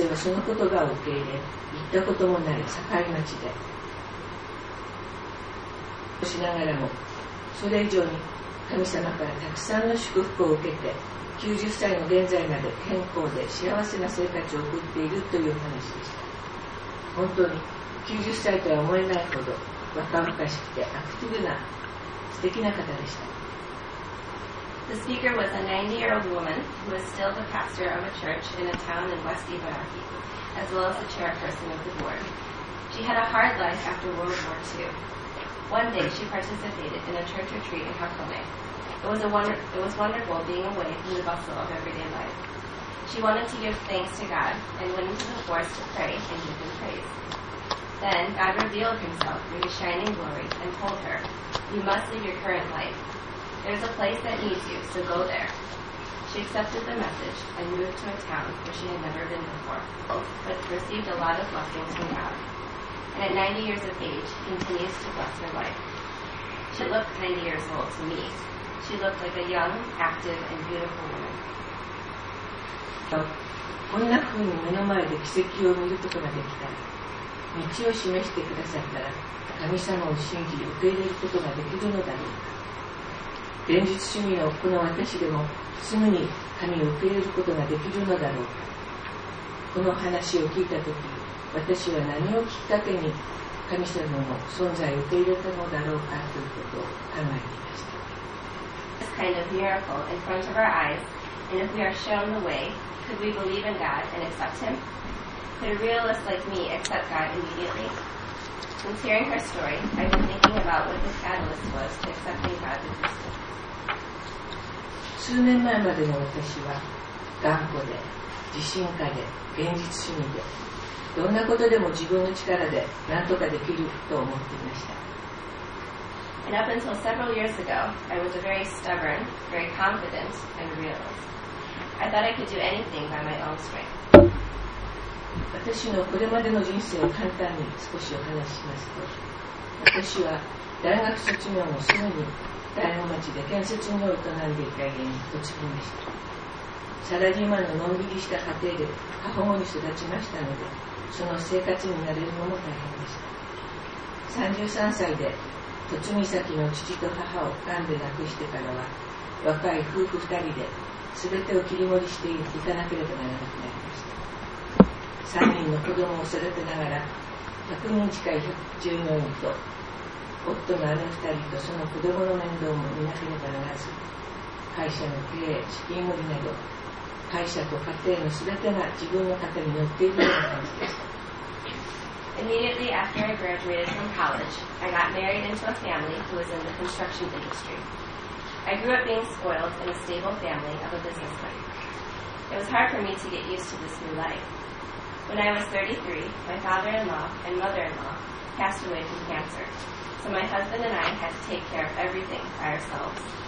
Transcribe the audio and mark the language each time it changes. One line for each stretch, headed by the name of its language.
Japanese: 先生はその言葉を受け入れ、行ったこともない境町でしながらも、それ以上に神様からたくさんの祝福を受けて90歳の現在まで健康で幸せな生活を送っているという話でした。本当に90歳とは思えないほど若々しくてアクティブな素敵な方でした。
English: The speaker was a 90-year-old woman who is still the pastor of a church in a town in West Ibaraki, as well as the chairperson of the board. She had a hard life after World War II. One day she participated in a church retreat in Hakone. It was wonderful being away from the bustle of everyday life. She wanted to give thanks to God and went into the forest to pray and give Him praise. Then God revealed Himself through His shining glory and told her, "You must leave your current life. There's a place that needs you, so go there." She accepted the message and moved to a town where she had never been before, but received a lot of blessings from God. And at 90 years of age, continues to bless her life. She looked 90 years old to me. She looked like a young, active, and beautiful woman.
Japanese: So, こんな風に目の前で奇跡を見ることができた。道を示してくださったら神様を信じ受け入れることができるのだろうか。現実主義のこの私でもすぐに神を受け入れることができるのだろうか。この話を聞いたとき、私は何をきっかけに神様の存在を受け入れたのだろうかということを考えていました。
English: This kind of miracle in front of our eyes, and if we are shown the way, could we believe in God and accept Him? Could a realist like me accept God immediately? Since hearing her story, I've been thinking about what this catalyst was to accepting God's existence.
Japanese: 数年前までの私は、頑固で、自信家で、現実主義で、どんなことでも自分の力で何とかできると思っていました。
English: And up until several years ago, I was a very stubborn, very confident, and realist. I thought I could do anything by my own strength.
Japanese: 私のこれまでの人生を簡単に少しお話ししますと、私は大学卒業後すぐに大子町で建設業を営んでいた家に嫁ぎました。サラリーマンののんびりした家庭で過保護に育ちましたので、その生活に慣れるのも大変でした。 33歳で嫁ぎ先の父と母を癌で亡くしてからは、若い夫婦2人で全てを切り盛りしていかなければならなくなりました。 3人の子供を育てながら、100人近い従業員と夫の姉2人とその子供の面倒も見なければならず、会社の経営、資金繰りなど会社と家庭の全てが自分の肩に乗っているような感じでした。
English: Immediately after I graduated from college, I got married into a family who was in the construction industry. I grew up being spoiled in a stable family of a businessman. It was hard for me to get used to this new lifeWhen I was 33, my father-in-law and mother-in-law passed away from cancer, so my husband and I had to take care of everything by ourselves.